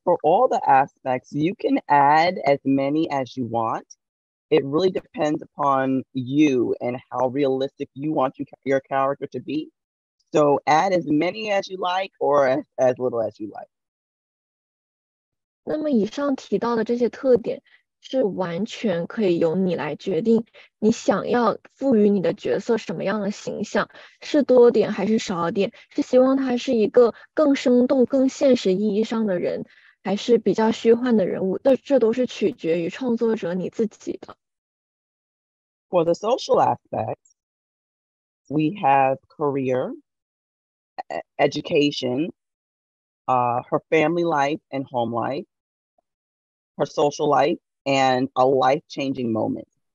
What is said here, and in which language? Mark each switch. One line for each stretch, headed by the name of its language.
English: for all the aspects, you can add as many as you want. It really depends upon you and how realistic you want your character to be. So add as many as you like or as little as you like.
Chinese: 那么以上提到的这些特点是完全可以由你来决定，你想要赋予你的角色什么样的形象，是多点还是少点，是希望他是一个更生动、更现实意义上的人，还是比较虚幻的人物，这都是取决于创作者你自己的。
English: For the social aspect, we have career, education, her family life and home life, her social life, and a life-changing moment.